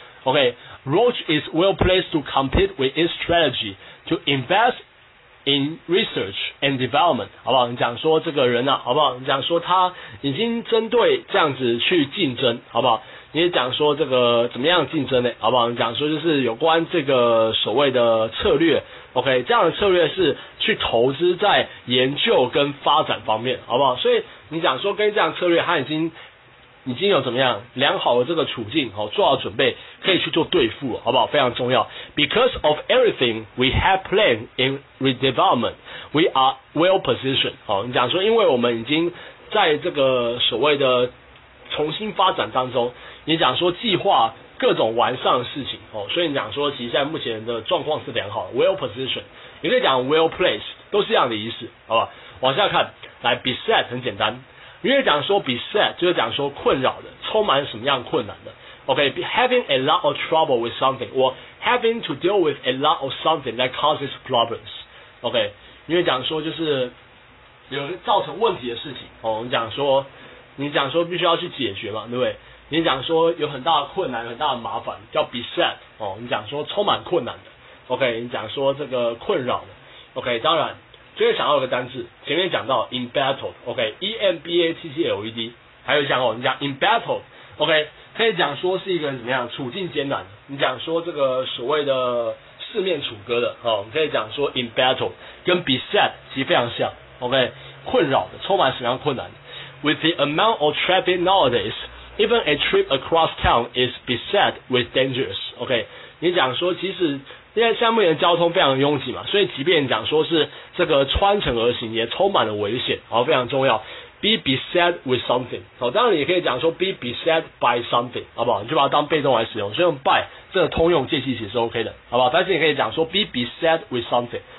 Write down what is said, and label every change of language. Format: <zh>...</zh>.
<en>OK， Roche is well placed to compete with its strategy to invest in research and development，</en> <zh>好不好？你讲说这个人啊，好不好？你讲说他已经针对这样子去竞争，好不好？你也讲说这个怎么样竞争呢？好不好？你讲说就是有关这个所谓的策略 ，OK， 这样的策略是去投资在研究跟发展方面，好不好？所以你讲说跟这样的策略，他已经有怎么样良好的这个处境，好，做好准备可以去做对付，好不好？非常重要。</zh> <en>Because of everything we have planned in redevelopment, we are well positioned。</en> <zh>好，你讲说，因为我们已经在这个所谓的重新发展当中，你讲说计划各种完善的事情，哦，所以你讲说，其实现在目前的状况是良好的 ，well positioned。也可以讲 well placed， 都是一样的意思，好吧？往下看，来 be set 很简单。因为讲说 beset 就是讲说困扰的，充满什么样困难的。</zh> <en>OK， having a lot of trouble with something， or having to deal with a lot of something that causes problems。</en> <zh>OK， 因为讲说就是有造成问题的事情，哦，你讲说必须要去解决嘛，对不对？你讲说有很大的困难，很大的麻烦，叫 beset。哦，你讲说充满困难的。OK， 你讲说这个困扰的。 OK， 当然。这边想要一个单字，前面讲到 embattled， OK， E M B A T T L E D，还有像哦，你讲 embattled， OK， 可以讲说是一个怎么样处境艰难，你讲说这个所谓的四面楚歌的哦，可以讲说 embattled， 跟 beset 其实非常像， OK， 困扰的，充满什么样困难的。</zh> <en>With the amount of traffic nowadays, even a trip across town is beset with dangers.</en> <zh>OK， 你讲说其实因为现在目前交通非常拥挤嘛，所以即便讲说是这个穿城而行，也充满了危险，然后非常重要。</zh> <en>Be beset with something.</en> <zh>好，当然你可以讲说</zh> <en>be beset by something，</en> <zh>好不好？你就把它当被动来使用，所以用 by 这个通用介系词是 OK 的，好不好？但是你可以讲说</zh> <en>be beset with something。</en>